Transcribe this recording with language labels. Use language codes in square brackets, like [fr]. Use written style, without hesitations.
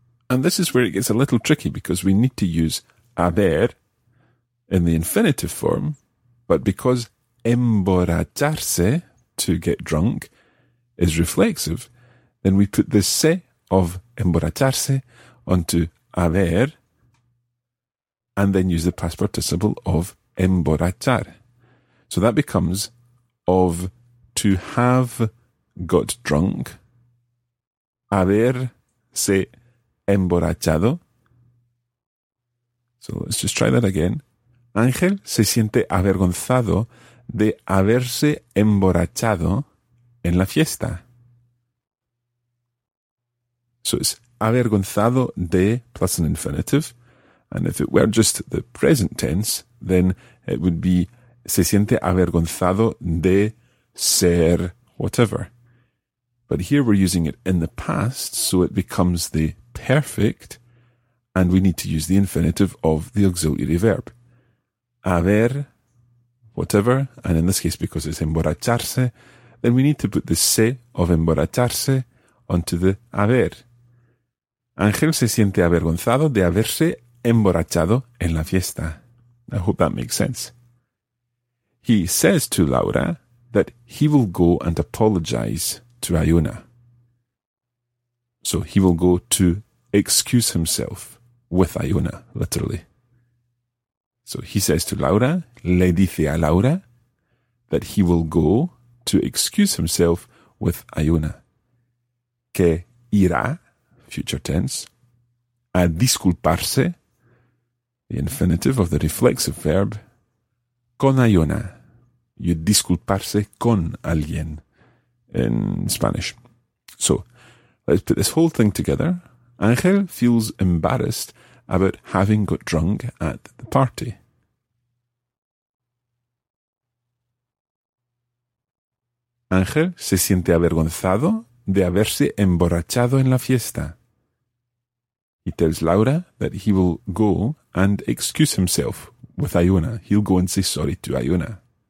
[en] And this is where it gets a little tricky because we need to use haber in the infinitive form, but because emborracharse, to get drunk, is reflexive, then we put the se of emborracharse onto haber and then use the past participle of emborrachar. So that becomes of to have got drunk, [es] haberse emborrachado. [en] So let's just try that again. [es] Ángel se siente avergonzado de haberse emborrachado en la fiesta. [en] So it's [es] avergonzado de [en] plus an infinitive. And if it were just the present tense, then it would be [es] se siente avergonzado de ser [en] whatever. But here we're using it in the past, so it becomes the perfect, and we need to use the infinitive of the auxiliary verb. Haber, whatever, and in this case because it's emborracharse, then we need to put the se of emborracharse onto the haber. [es] Ángel se siente avergonzado de haberse emborrachado en la fiesta. [en] I hope that makes sense. He says to Laura that he will go and apologize to Iona. So he will go to excuse himself with Iona, literally. So he says to Laura, [es] le dice a Laura, [en] that he will go to excuse himself with Iona. [es] Que irá, [en] future tense, [es] a disculparse, [en] the infinitive of the reflexive verb, [es] con Iona. [en] You [es] disculparse con alguien [en] in Spanish. So, let's put this whole thing together. Ángel feels embarrassed about having got drunk at the party. [es] Ángel se siente avergonzado de haberse emborrachado en la fiesta. [en] He tells Laura that he will go and excuse himself with Iona. He'll go and say sorry to Iona.